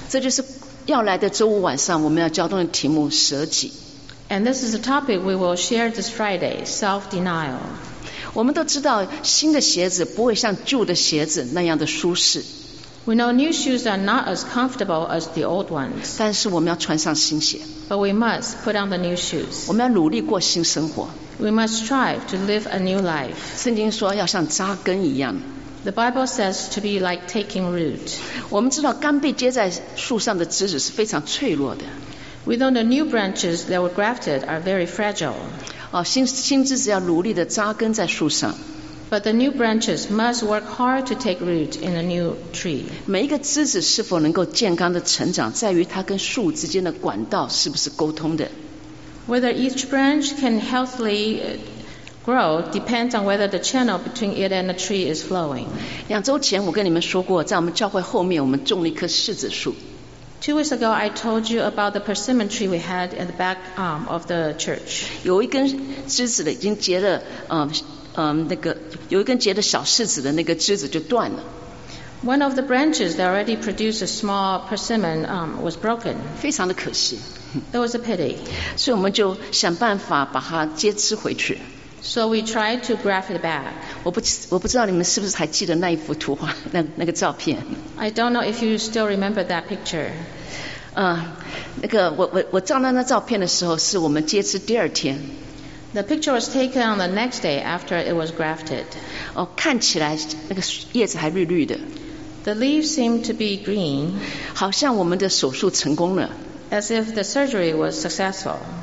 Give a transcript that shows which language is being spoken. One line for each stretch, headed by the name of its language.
Chinese: 这就是要来的周五晚上我们要交通的题目，舍己。
English: And this is the topic we will share this Friday, self-denial.
Chinese: 我们都知道新的鞋子不会像旧的鞋子那样的舒适。
English: We know new shoes are not as comfortable as the old ones.
Chinese: 但是我们要穿上新鞋。
English: But we must put on the new shoes.
Chinese: 我们要努力过新生活。
English: We must strive to live a new life.
Chinese: 圣经说要像扎根一样。
English: The Bible says to be like taking root.
Chinese: 我们知道刚被接在树上的枝子是非常脆弱的。
English: We know the new branches that were grafted are very fragile.
Chinese: 新枝子要努力地扎根在树上。
English: But the new branches must work hard to take root in a new tree.
Chinese: 每一个枝子是否能够健康的成长，在于它跟树之间的管道是不是沟通的。
English: Whether each branch can healthily grow depends on whether the channel between it and the tree is flowing.
Chinese: 两周前我跟你们说过，在我们教会后面我们种了一棵柿子树。
English: Two weeks ago, I told you about the persimmon tree we had at the back arm of the church.
Chinese: 有一根枝子已经结了，那个有一根结的小柿子的那个枝子就断了。
English: One of the branches that already produced a small persimmon was broken.
Chinese: 非常的可惜。
English: It was a pity.
Chinese: 所以我们就想办法把它接枝回去。
English: So we tried to graft it back.
Chinese: 我不知道你们是不是还记得那一幅图画，那个照片。
English: I don't know if you still remember that picture.
Chinese: 那个我照那张照片的时候，是我们接枝第二天。
English: The picture was taken on the next day after it was grafted.
Chinese: 哦，看起来那个叶子还绿绿的。
English: The leaves seemed to be green.
Chinese: 好像我们的手术成功了。
English: As if the surgery was successful.